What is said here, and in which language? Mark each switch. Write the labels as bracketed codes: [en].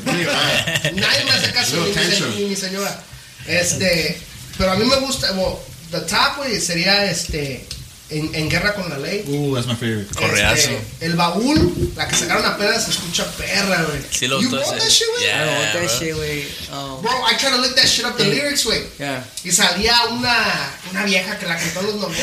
[es] Nadie me hace caso, mi señora. Este, pero a mí me gusta. [en] Well, the top, güey, [es] sería este. [en] En Guerra con la Ley. That's my favorite. Este, [es] Correazo. El Baúl, la que sacaron a pedas, se escucha perra, güey. Sí, lo gustó. ¿Y [en] that shit, güey? Yeah, I want that shit, güey. Bro, I tried to look that shit up, the lyrics, güey. Yeah. [es] Y salía una vieja que la cantó en los 90.